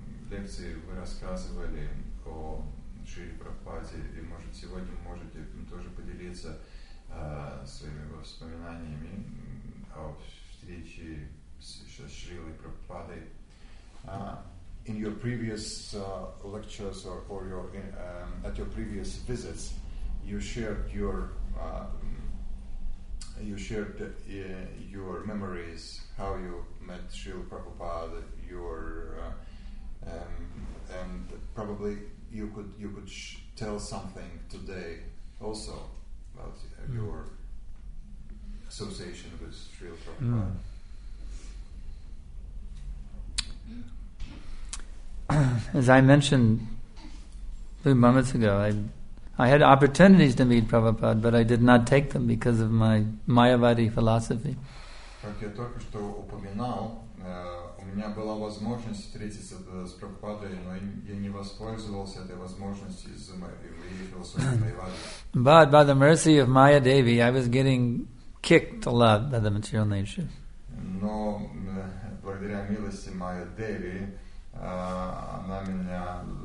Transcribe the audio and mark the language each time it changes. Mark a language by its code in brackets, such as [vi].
[ru] Вы рассказывали о Шриле Прабхупаде, и может сегодня можете тоже поделиться своими воспоминаниями о встрече с Шрилой Прабхупадой. [en] In your previous lectures or your at your previous visits, you shared your memories how you met Srila Prabhupada, and probably you could tell something today also about your association with Srila Prabhupada. Mm. As I mentioned a few moments ago, I had opportunities to meet Prabhupada, but I did not take them because of my Mayavadi philosophy. [ru] Как я только что упоминал, у меня была возможность встретиться с Прабхупадой, но я не воспользовался этой возможностью из-за моей философии. [en] But by the mercy of Maya Devi, I was getting kicked a lot by the material nature. [ru] Но благодаря милости Майя Деви, она меня,